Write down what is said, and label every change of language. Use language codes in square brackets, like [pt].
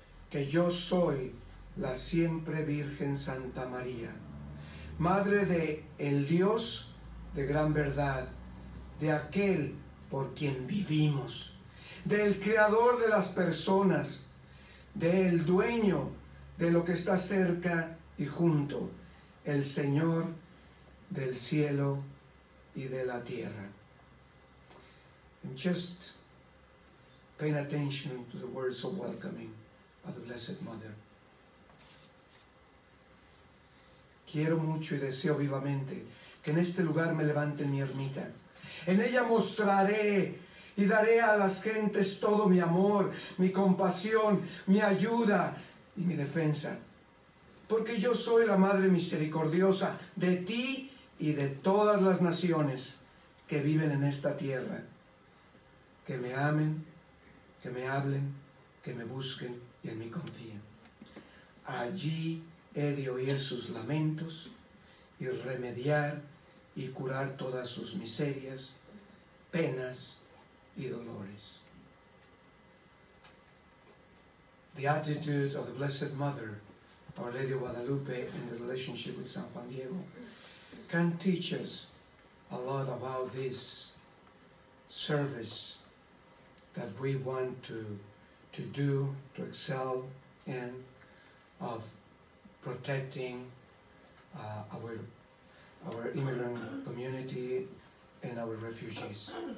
[es] que yo soy la siempre Virgen Santa María, madre de el Dios de gran verdad, de aquel por quien vivimos, del creador de las personas, del dueño de lo que está cerca y junto, el Señor del cielo y de la tierra." [en] And just paying attention to the words of welcoming of the Blessed Mother. [es] "Quiero mucho y deseo vivamente que en este lugar me levante mi ermita. En ella mostraré y daré a las gentes todo mi amor, mi compasión, mi ayuda y mi defensa. Porque yo soy la Madre Misericordiosa de ti y de todas las naciones que viven en esta tierra. Que me amen, que me hablen, que me busquen y en mí confíen. Allí he de oír sus lamentos y remediar y curar todas sus miserias, penas y dolores." [en] The attitude of the Blessed Mother, Our Lady of Guadalupe, in the relationship with San Juan Diego can teach us a lot about this service that we want to do, to excel in, of protecting our immigrant community and our refugees.